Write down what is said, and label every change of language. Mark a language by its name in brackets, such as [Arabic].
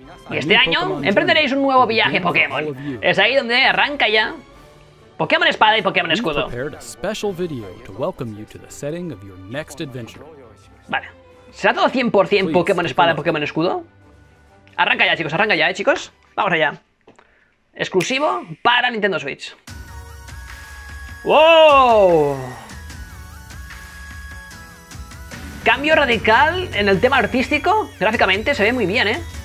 [Spanish] Y este año emprenderéis un nuevo viaje Pokémon. Es ahí donde arranca ya. Pokémon Espada y Pokémon Escudo. [English] We've prepared a special video to welcome you to the setting of your next adventure. [Spanish] Vale. ¿Será todo 100% Pokémon Espada y Pokémon Escudo? Arranca ya, chicos. Arranca ya, chicos. Vamos allá. Exclusivo para Nintendo Switch. ¡Wow! Cambio radical en el tema artístico. Gráficamente se ve muy bien, ¿eh?